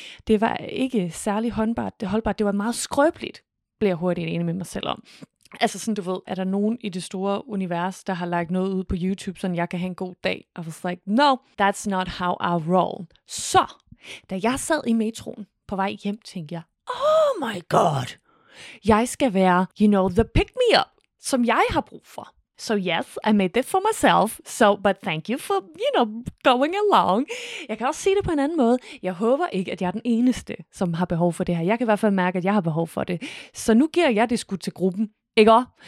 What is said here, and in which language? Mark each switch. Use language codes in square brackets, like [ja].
[da] Det var ikke særlig holdbart, det var meget skrøbeligt, blev jeg hurtigt enig med mig selv om. Altså sådan, du ved, er der nogen i det store univers, der har lagt noget ud på YouTube, sådan jeg kan have en god dag? [en] I was like, no, that's not how I roll. [da] Så, da jeg sad i metroen på vej hjem, tænkte jeg, [en] oh my god, [da] jeg skal være, [en] you know, the pick-me-up, [da] som jeg har brug for. [en] So yes, I made it for myself, so, but thank you for, you know, going along. [da] Jeg kan også sige det på en anden måde. Jeg håber ikke, at jeg er den eneste, som har behov for det her. Jeg kan i hvert fald mærke, at jeg har behov for det. Så nu giver jeg det sgu til gruppen, ikke også?